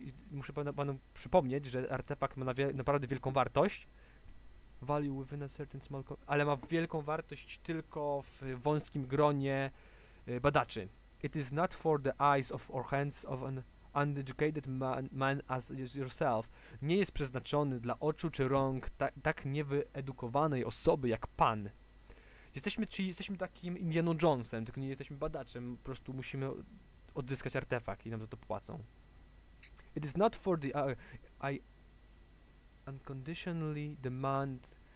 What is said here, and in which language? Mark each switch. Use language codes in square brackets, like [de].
[pl] Muszę panu przypomnieć, że artefakt ma naprawdę wielką wartość. [en] Value within a certain small... [pl] Ale ma wielką wartość tylko w wąskim gronie badaczy. [en] It is not for the eyes of or hands of an uneducated man as yourself. [pl] Nie jest przeznaczony dla oczu czy rąk tak niewyedukowanej osoby jak pan. Jesteśmy takim Indiana Jonesem, tylko nie jesteśmy badaczem. Po prostu musimy odzyskać artefakt i nam za to płacą. [en] It is not for the... I unconditionally demand...